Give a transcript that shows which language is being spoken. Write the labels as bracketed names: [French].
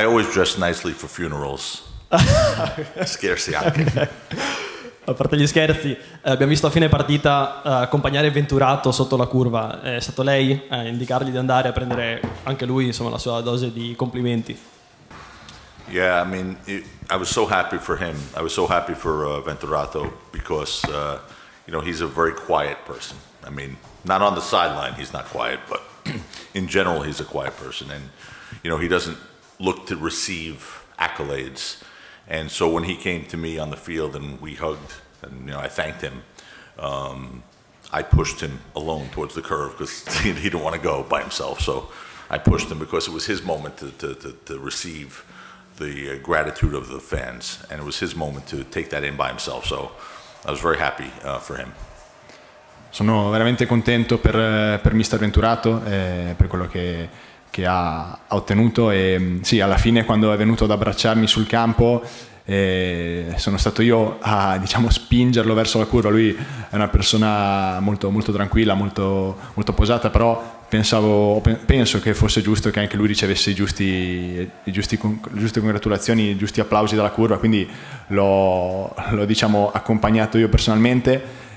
[English] I always dress nicely for funerals. [Italian] Scherzi anche. Okay. A parte gli scherzi, abbiamo visto a fine partita accompagnare Venturato sotto la curva. È stato lei a indicargli di andare a prendere anche lui, insomma, la sua dose di complimenti. [English] Yeah, I mean, I was so happy for him. I was so happy for Venturato because, you know, he's a very quiet person. I mean, not on the sideline, he's not quiet, but in general, he's a quiet person, and you know, he doesn't look to receive accolades. And so when he came to me on the field and we hugged and, you know, I thanked him, I pushed him alone towards the curve because he didn't want to go by himself. So I pushed him because it was his moment to receive the gratitude of the fans, and it was his moment to take that in by himself. So I was very happy for him. [Italian] Sono veramente contento per Mister Venturato, per quello che ha ottenuto, e sì, alla fine quando è venuto ad abbracciarmi sul campo, sono stato io a, diciamo, spingerlo verso la curva. Lui è una persona molto, molto tranquilla, molto, molto posata, però penso che fosse giusto che anche lui ricevesse le giuste congratulazioni, i giusti applausi dalla curva, quindi l'ho diciamo accompagnato io personalmente.